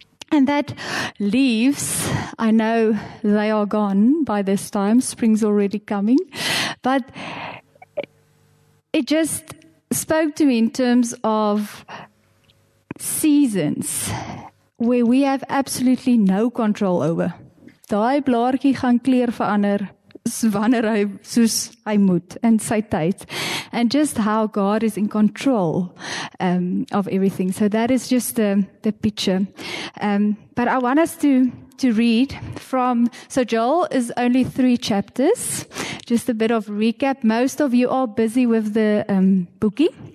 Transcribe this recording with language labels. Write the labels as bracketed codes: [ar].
[en] And that leaves, I know they are gone by this time, spring's already coming. But it just spoke to me in terms of seasons where we have absolutely no control over. [af] Daai blaartjie gaan kleur verander wanneer hy soos hy moet in sy tyd. [en] And just how God is in control of everything. So that is just the picture. But I want us to read from, so Joel is only 3 chapters. Just a bit of recap. Most of you are busy with the bookie.